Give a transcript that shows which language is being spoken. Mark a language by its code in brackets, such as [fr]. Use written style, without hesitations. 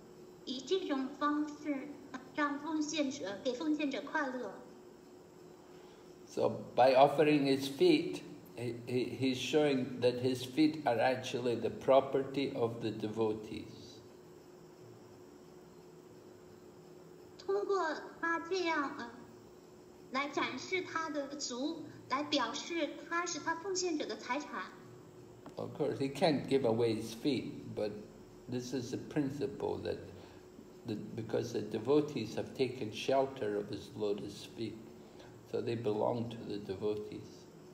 [zh] 为了让奉献者感受到狂喜，至尊主呢，他会伸出他的莲花足，以这种方式。 [en] So by offering his feet, he's showing that his feet are actually the property of the devotees. [zh] 通过他这样来展示他的足，来表示他是他奉献者的财产。 [en] Of course, he can't give away his feet, but this is the principle that. Because the devotees have taken shelter of his lotus feet, so they belong to the devotees.